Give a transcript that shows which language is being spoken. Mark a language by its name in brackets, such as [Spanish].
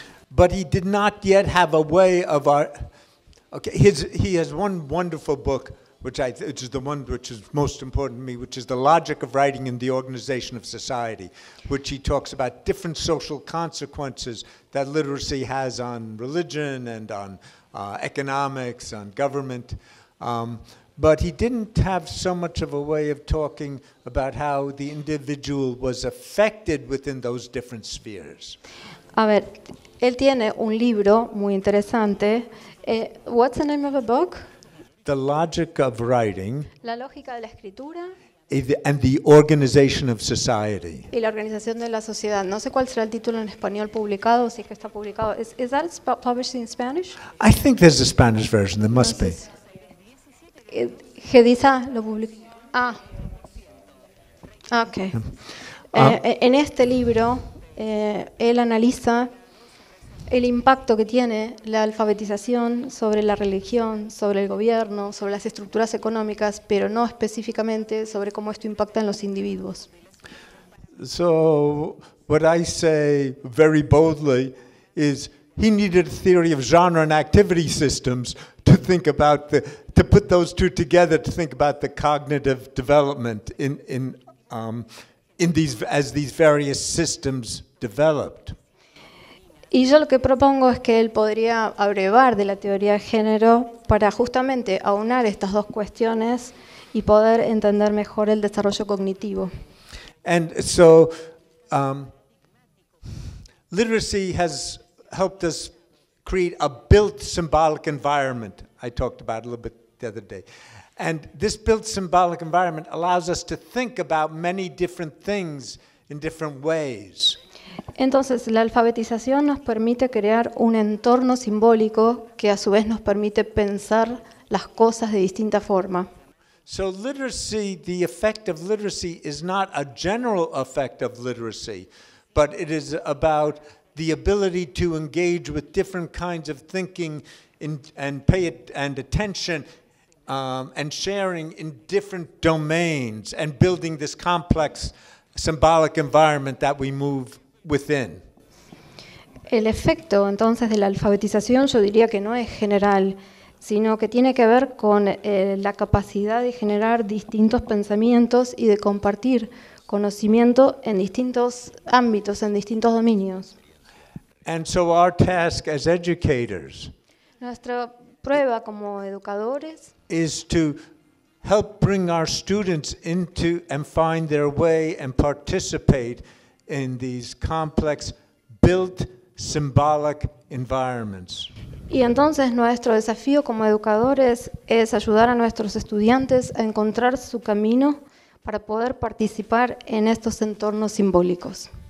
[English] But he did not yet have a way of our. Okay, he has one wonderful book, which is the one which is most important to me, which is The Logic of Writing and the Organization of Society, which he talks about different social consequences that literacy has on religion and on economics, on government. But he didn't have so much of a way of talking about how the individual was affected within those different spheres. [Spanish] A ver, él tiene un libro muy interesante. [English] What's the name of the book? The Logic of Writing. [Spanish] La lógica de la escritura. [English] And the Organization of Society. [Spanish] Y la organización de la sociedad. No sé cuál será el título en español publicado, si es que está publicado. [English] Is that published in Spanish? I think there's a Spanish version. There must be. [Spanish] Gedisa lo publicó. Okay. En este libro él analiza el impacto que tiene la alfabetización sobre la religión, sobre el gobierno, sobre las estructuras económicas, pero no específicamente sobre cómo esto impacta en los individuos. [English] So, what I say very boldly is he needed a theory of genre and activity systems to think about the, to put those two together to think about the cognitive development in these as these various systems developed. [Spanish] Y yo lo que propongo es que él podría abrevar de la teoría de género para justamente aunar estas dos cuestiones y poder entender mejor el desarrollo cognitivo. [English] And so literacy has helped us create a built symbolic environment I talked about a little bit the other day. And this built symbolic environment allows us to think about many different things in different ways. [Spanish] Entonces, la alfabetización nos permite crear un entorno simbólico que a su vez nos permite pensar las cosas de distinta forma. [English] So literacy, the effect of literacy is not a general effect of literacy, but it is about the ability to engage with different kinds of thinking and pay it and attention and sharing in different domains and building this complex symbolic environment that we move within. [Spanish] El efecto entonces de la alfabetización yo diría que no es general, sino que tiene que ver con la capacidad de generar distintos pensamientos y de compartir conocimiento en distintos ámbitos, en distintos dominios. [English] And so our task as educators, [Spanish] nuestra prueba como educadores, [English] is to help bring our students into and find their way and participate in these complex built symbolic environments. [Spanish] Y entonces nuestro desafío como educadores es ayudar a nuestros estudiantes a encontrar su camino para poder participar en estos entornos simbólicos.